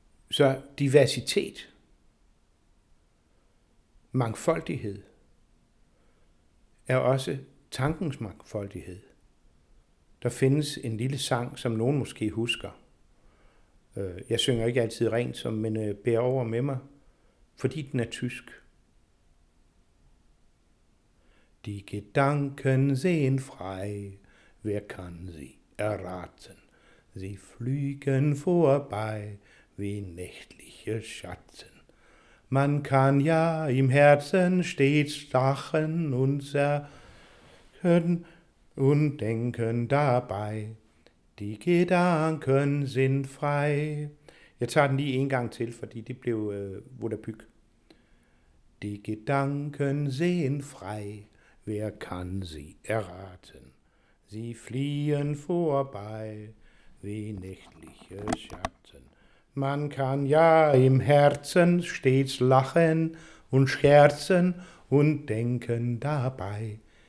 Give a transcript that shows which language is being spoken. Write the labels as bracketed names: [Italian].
[Danish] Så diversitet, mangfoldighed, er også tankens mangfoldighed. Der findes en lille sang, som nogen måske husker. Jeg synger ikke altid rent, men bærer over med mig, fordi den er tysk. [German] De Gedanken sehen frei, wer kann sie erraten? Sie fliegen vorbei wie nächtliche Schatten. Man kann ja im Herzen stets lachen und zerken und denken dabei. Die Gedanken sind frei. [Danish] Jeg tager den lige en gang til, fordi det blev vodapyg. [German] Die Gedanken sehen frei. Wer kann sie erraten? Sie fliehen vorbei wie nächtliche Schatten. Man kann ja im Herzen stets lachen und scherzen und denken dabei.